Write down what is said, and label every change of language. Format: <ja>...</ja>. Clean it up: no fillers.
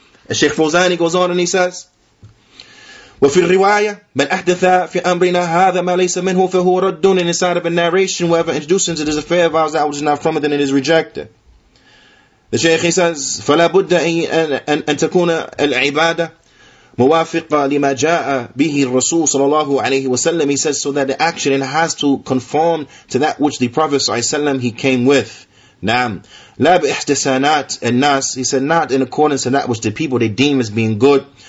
<ar>الشيخ فوزاني</ar> <en>goes on and he says,</en> <ar>وفي الرواية من أحدث في أمرنا هذا ما ليس منه فهو رد.</ar> <en>And inside of a narration, whoever introduces it is a fair of ours, that which is not from it, then it is rejected. The Shaykh, he says,</en> <ar>فلا بد أن تكون العبادة موافقة لما جاء به الرسول صلى الله عليه وسلم.</ar> <en>He says, so that the action, it has to conform to that which the Prophet</en> <ar>صلى الله عليه وسلم,</ar> <en>he came with.</en> <ar>نعم. لا بإحتسانات الناس.</ar> <en>He said, not in accordance to that which the people, they deem as being good.</en>